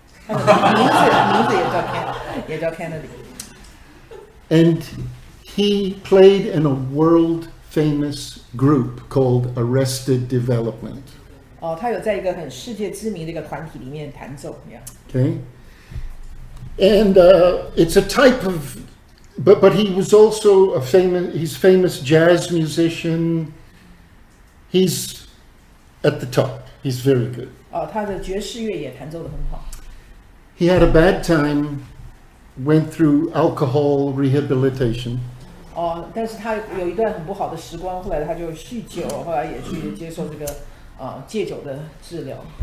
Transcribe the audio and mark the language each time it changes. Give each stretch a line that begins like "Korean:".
Chinese: 他的名字也叫 Kennedy.
English: And he played in a world famous group called Arrested Development.
Chinese: 哦，他有在一个很世界知名的一个团体里面弹奏。
English: Okay. And it's a type of. But he was also a famous jazz musician. He's at the top. He's very good.
Chinese: Oh, 他的爵士乐也弹奏得很好.
English: He had a bad time, went through alcohol rehabilitation.
Chinese: Oh, 但是他有一段很不好的时光，后来他就酗酒，后来也去接受这个戒酒的治疗.